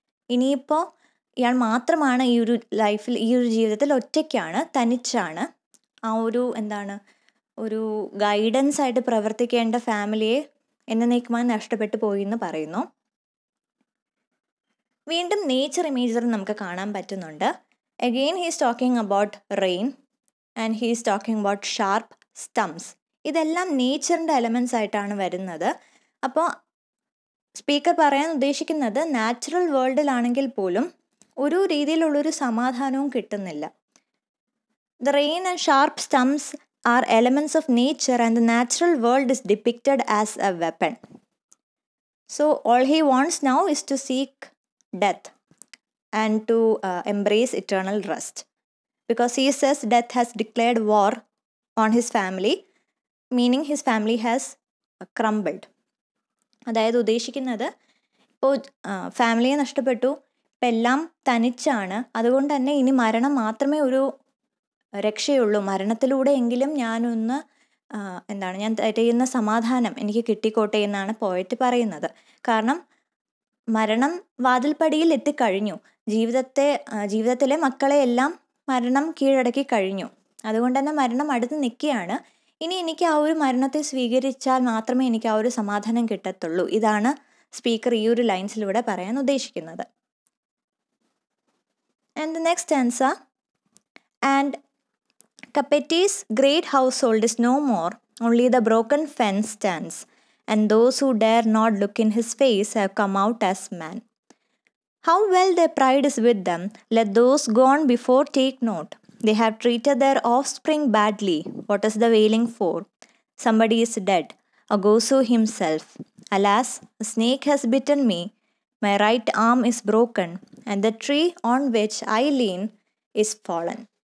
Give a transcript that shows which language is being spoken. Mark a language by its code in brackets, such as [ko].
[ml] ഇനിയിപ്പോൾ ഇയാൾ മാത്രമാണ്, ഈ ഒരു ലൈഫിൽ ഈ ഒരു ജീവിതത്തിൽ ഒറ്റയ്ക്കാണ്, തനിച്ചാണ്. ആ ഒരു എന്താണ് ഒരു ഗൈഡൻസായിട്ട് പ്രവർത്തിക്കേണ്ട ഫാമിലിയെ എന്നേക്കുമായി നഷ്ടപ്പെട്ടു പോയി എന്ന് പറയുന്നു. വീണ്ടും നേച്ചർ ഇമേജറി നമുക്ക് കാണാൻ പറ്റുന്നുണ്ട്. [en] Again, he is talking about rain and he is talking about sharp stumps. [ml] ഇതെല്ലാം നേച്ചറിൻ്റെ എലമെൻസ് ആയിട്ടാണ് വരുന്നത്. അപ്പോൾ സ്പീക്കർ പറയാൻ ഉദ്ദേശിക്കുന്നത് നാച്ചുറൽ വേൾഡിലാണെങ്കിൽ പോലും ഒരു രീതിയിലുള്ളൊരു സമാധാനവും കിട്ടുന്നില്ല. [en] The rain and sharp storms are elements of nature and the natural world is depicted as a weapon. So all he wants now is to seek death and to embrace eternal rest because he says death has declared war on his family, meaning his family has crumbled. [ml] adayad udheshikkunnathu ippo family nashtapettu ഇപ്പം എല്ലാം തനിച്ചാണ്. അതുകൊണ്ട് തന്നെ ഇനി മരണം മാത്രമേ ഒരു രക്ഷയുള്ളൂ. മരണത്തിലൂടെ എങ്കിലും ഞാനൊന്ന് എന്താണ് ഞാൻ തരയുന്ന സമാധാനം എനിക്ക് കിട്ടിക്കോട്ടെ എന്നാണ് പോയറ്റ് പറയുന്നത്. കാരണം മരണം വാതിൽപ്പടിയിൽ എത്തിക്കഴിഞ്ഞു, ജീവിതത്തെ ജീവിതത്തിലെ മക്കളെയെല്ലാം മരണം കീഴടക്കി കഴിഞ്ഞു. അതുകൊണ്ട് തന്നെ മരണം അടുത്ത് നിൽക്കുകയാണ്. ഇനി എനിക്ക് ആ ഒരു മരണത്തെ സ്വീകരിച്ചാൽ മാത്രമേ എനിക്ക് ആ ഒരു സമാധാനം കിട്ടത്തുള്ളൂ. ഇതാണ് സ്പീക്കർ ഈ ഒരു ലൈൻസിലൂടെ പറയാൻ ഉദ്ദേശിക്കുന്നത്. [en] And the next answer, and Kapatee's great household is no more, only the broken fence stands and those who dare not look in his face have come out as man. How well the pride is with them, let those gone before take note. They have treated their offspring badly. What is the wailing for? Somebody is dead. A Gosu himself. Alas, a snake has bitten me. My right arm is broken. And the tree on which I lean is fallen.